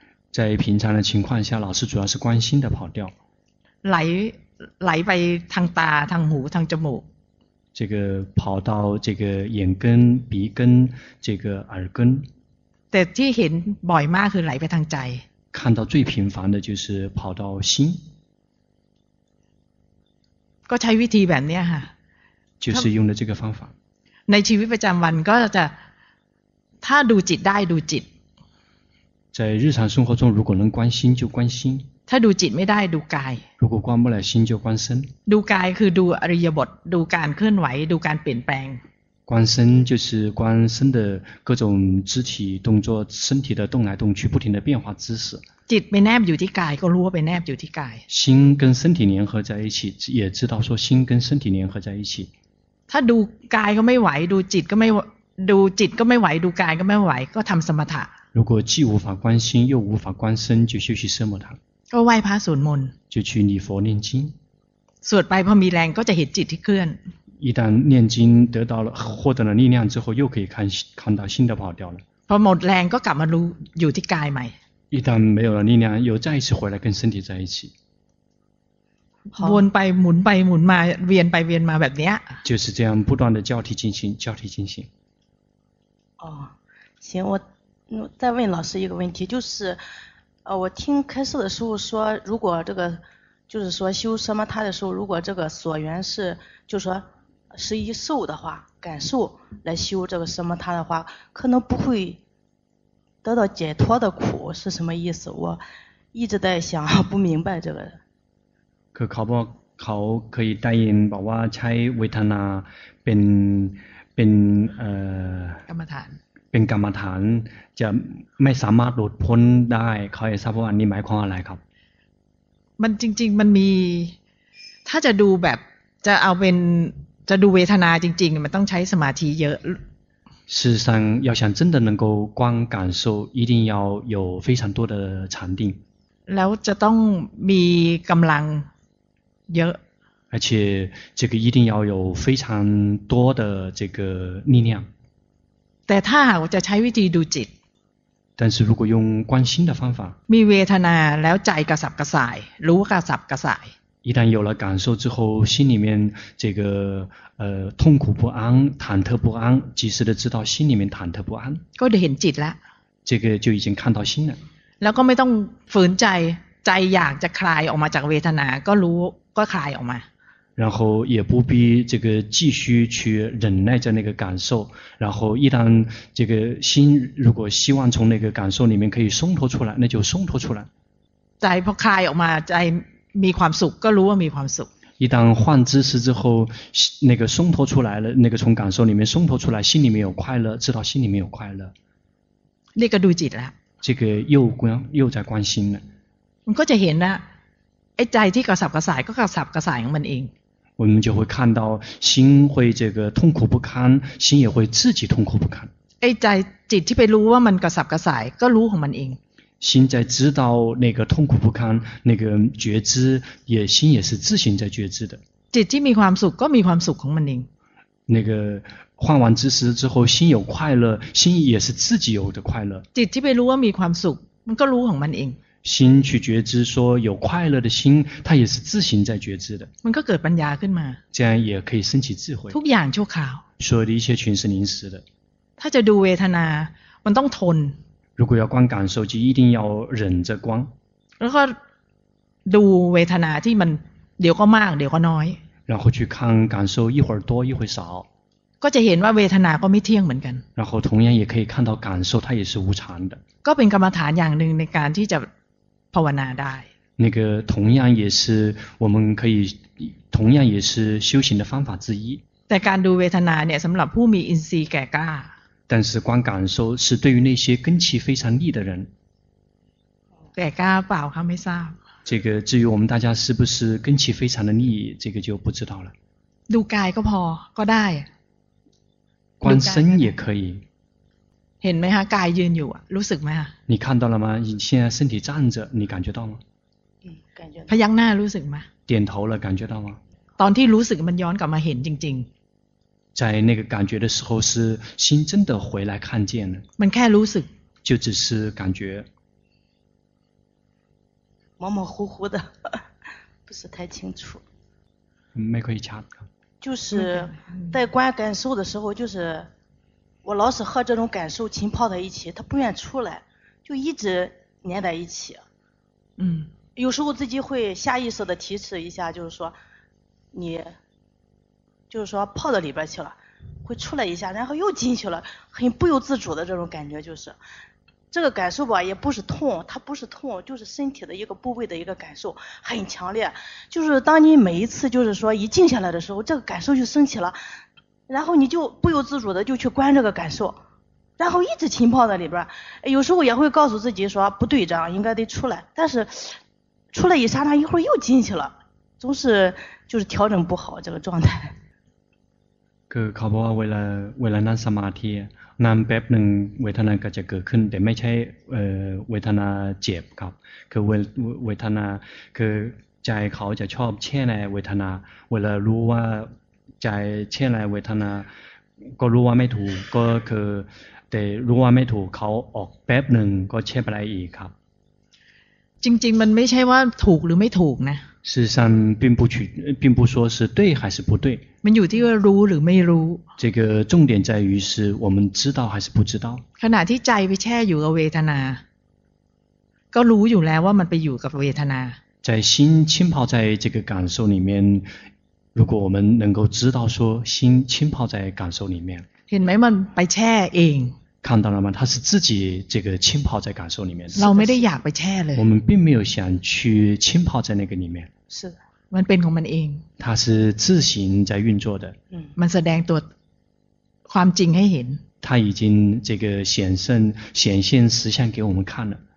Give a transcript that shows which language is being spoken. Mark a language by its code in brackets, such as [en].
[zh] 在平常的情况下老师主要是关心的跑掉 [th] ไหลไปทางตาทางหูทางจมูก [zh] 这个跑到这个眼根鼻根这个耳根 [th] แต่ที่เห็นบ่อยมากคือไหลไปทางใจ [zh] 看到最频繁的就是跑到心 [th] ก็ใช้วิธีแบบนี้ค่ะ [zh] 就是用的这个方法 [th] ในชีวิตประจำวันก็จะถ้าดูจิตได้ดูจิต [zh] 在日常生活中如果能关心就关心 [th] ถ้าดูจิตไม่ได้ดูกาย [zh] 如果关不了心就关身 [th] ดูกายคือดูอริยบทดูการเคลื่อนไหวดูการเปลี่ยนแปลง [zh] 关身就是关身的各种肢体动作身体的动来动去不停的变化姿势 [th] จิตไปแนบอยู่ที่กายก็รู้ว่าไปแนบอยู่ที่กาย [zh] 心跟身体联合在一起也知道说心跟身体联合在一起 [th] ถ้าดูกายก็ไม่ไหวดูจิตก็ไม่ดูจิตก็ไม่ไหวดูกายก็ไม่ไหวก็ทำสมถะ [zh] 如果既无法关心又无法关身就休息奢摩他 [th] ก็ไหว้พระสวดมนต์ [zh] 就去礼佛念经 [th] สวดไปพอมีแรงก็จะเห็นจิตที่เคลื่อน [zh] 一旦念经得到了获得了力量之后又可以看到心的跑掉了 [th] พอหมดแรงก็กลับมารู้อยู่ที่กายใหม่ [zh] 一旦没有了力量又再一次回来跟身体在一起 [th] วนไปหมุนไปหมุนมาเวียนไปเวียนมาแบบเนี้ย [zh] 就是这样不断的交替进行交替进行哦行我再问老师一个问题就是我听开示的师父说如果这个就是说修什么他的时候如果这个所缘是就是说是以受的话感受来修这个什么他的话可能不会得到解脱的苦是什么意思我一直在想不明白这个 [th] คือเขาเคยได้ยินบอกว่าใช้เวทนาเป็น กรรมฐาน เป็นกรรมฐานจะไม่สามารถหลุดพ้นได้เขาจะทราบว่าอันนี้หมายความอะไรครับ มันจริงๆมันมีถ้าจะดูแบบจะเอาเป็นจะดูเวทนาจริงๆมันต้องใช้สมาธิเยอะ [zh] 事实上要想真的能够光感受一定要有非常多的禅定 [th] แล้วจะต้องมีกำลังเยอะ [zh] 而且这个一定要有非常多的这个力量 [th] แต่ถ้าจะใช้วิธีดูจิต [zh] 但是如果用观心的方法 [th] มีเวทนาแล้วใจกระสับกระส่ายรู้กระสับกระส่าย [zh] 一旦有了感受之后心里面这个痛苦不安忐忑不安及时的知道心里面忐忑不安 [th] ก็ได้เห็นจิตแล้ว [zh] 这个就已经看到心了 [th] แล้วก็ไม่ต้องฝืนใจใจอยากจะคลายออกมาจากเวทนาก็รู้ก็คลายออกมา [zh] 然后也不必这个继续去忍耐着那个感受然后一旦这个心如果希望从那个感受里面可以松脱出来那就松脱出来 [th] ใจพอคลายออกมาใจมีความสุขก็รู้ว่ามีความสุข [zh] 一旦换姿势之后那个松脱出来了那个从感受里面松脱出来心里面有快乐知道心里面有快乐 [th] นี่ก็ดูจิตแล้ว เจ้าก็จะ [zh] 关心了 [th] มันก็จะเห็นนะไอ้ใจที่กระสับกระส่ายก็กระสับกระส่ายของมันเอง [zh] 我们就会看到心会这个痛苦不堪心也会自己痛苦不堪 [th] ไอ้ใจจิตที่ไปรู้ว่ามันกระสับกระส่ายก็รู้ของมันเอง [zh] 心在知道那个痛苦不堪那个觉知也心也是自行在觉知的 [th] จิตที่มีความสุขก็มีความสุขของมันเอง [zh] 那个换完姿势之后心有快乐心也是自己有的快乐 [th] จิตที่ไปรู้ว่ามีความสุขมันก็รู้ของมันเอง [zh] 心去觉知说有快乐的心它也是自行在觉知的 [th] มันก็เกิดปัญญาขึ้นมา [zh] 这样也可以升起智慧 [th] ทุกอย่างชั่วคราว [zh] 所有的一切全是临时的 [th] ถ้าจะดูเวทนามันต้องทน [zh] 如果要观感受就一定要忍着观 [th] แล้วก็ดูเวทนาที่มันเดี๋ยวก็มากเดี๋ยวก็น้อย [zh] 然后去看感受一会儿多一会儿少 [th] ก็จะเห็นว่าเวทนาก็ไม่เที่ยงเหมือนกัน [zh] 然后同样也可以看到感受它也是无常的 [th] ก็เป็นกรรมฐานอย่างหนึ่งในการที่จะภาวนาได้ [zh] 那个同样也是我们可以同样也是修行的方法之一 [th] แต่การดูเวทนาเนี่ยสำหรับผู้มีอินทรีย์แก่กล้า [zh] 但是观感受是对于那些根器非常利的人 [th] แก่กล้าเปล่าครับไม่ทราบ [zh] 这个至于我们大家是不是根器非常的利这个就不知道了 [th] ดูกายก็พอก็ได้ [zh] 观身也可以 [th] เห็นไหมฮะกายยืนอยู่อ่ะรู้สึกไหมฮะ [zh] 你看到了吗你现在身体站着你感觉到吗感觉 [th] พยักหน้ารู้สึกไหม [zh] 点头了感觉到吗 [th] ตอนที่รู้สึกมันย้อนกลับมาเห็นจริง [zh] ๆ在那个感觉的时候是心真的回来看见了 [th] มันแค่รู้สึก [zh] 就只是感觉模模糊糊的不是太清楚没可以掐就是在观感受的时候就是我老是和这种感受浸泡在一起它不愿出来就一直粘在一起嗯有时候自己会下意识的提示一下就是说你就是说泡到里边去了会出来一下然后又进去了很不由自主的这种感觉就是这个感受吧也不是痛它不是痛就是身体的一个部位的一个感受很强烈就是当你每一次就是说一静下来的时候这个感受就升起了然后你就不由自主的就去观这个感受然后一直浸泡在里边有时候也会告诉自己说不对这样应该得出来但是出来一刹那一会儿又进去了总是就是调整不好这个状态 [th] คือเขาบอกว่าเวลานั่งสมาธินั่งแป๊บหนึ่งเวทนาก็จะเกิดขึ้นแต่ไม่ใช่เวทนาเจ็บครับคือเวทนาคือใจเขาจะชอบแช่ในเวทนาเวลารู้ว่าใจแช่ในเวทนาก็รู้ว่าไม่ถูกก็คือแต่รู้ว่าไม่ถูกเขาออกแป๊บหนึ่งก็แช่ไปอีกครับ จริงๆมันไม่ใช่ว่าถูกหรือไม่ถูกนะ [zh] 实际上并不说是对还是不对。 [th] มันอยู่ที่ว่ารู้หรือไม่รู้。 [zh] 这个重点在于是我们知道还是不知道。 [th] ขณะที่ใจไปแช่อยู่กับเวทนาก็รู้อยู่แล้วว่ามันไปอยู่กับเวทนา。 [zh] 在心浸泡在这个感受里面，如果我们能够知道说心浸泡在感受里面， [th] เห็นไหมมันไปแช่เอง。 [zh] 看到了吗？他是自己这个浸泡在感受里面。 [th] เราไม่ได้อยากไปแช่เลย。 [zh] 我们并没有想去浸泡在那个里面。 [th] 是，มันเป็นของมันเอง。 [zh] 它是自行在运作的。 [th] มันแสดงตัวความจริงให้เห็น。 [zh] 它已经这个显现实相给我们看了。